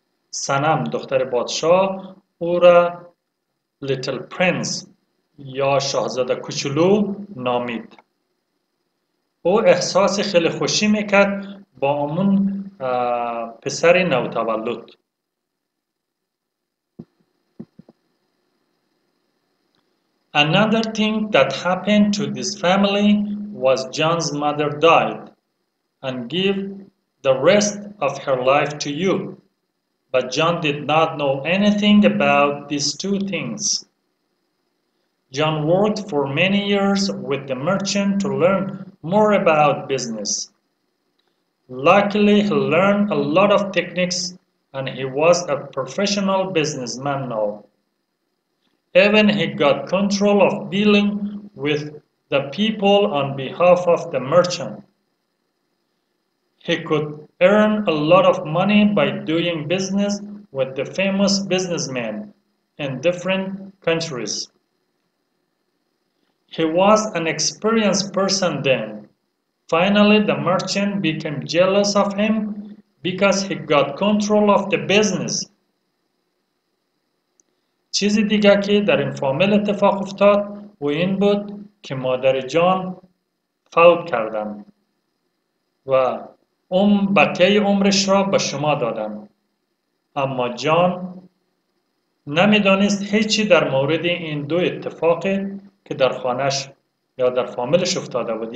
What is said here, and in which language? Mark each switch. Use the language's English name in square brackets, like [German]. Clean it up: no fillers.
[Persian] سنم دختر بادشاه او را لیتل پرنس یا شاهزاده کوچولو نامید. او احساس خیلی خوشی میکرد با امون پسر نوتولد. [English] Another thing that happened to this family was John's mother died and gave the rest of her life to you. But John did not know anything about these two things. John worked for many years with the merchant to learn more about business. Luckily, he learned a lot of techniques and he was a professional businessman now. Even he got control of dealing with the people on behalf of the merchant. He could earn a lot of money by doing business with the famous businessmen in different countries. He was an experienced person then. Finally, the merchant became jealous of him because he got control of the business. [Persian] چیزی دیگه که در این فامیل اتفاق افتاد و این بود که مادر جان فوت کردن و بقیه عمرش را به شما دادن. اما جان نمیدانست هیچی در مورد این دو اتفاق که در خانهش یا در فامیلش افتاده بود.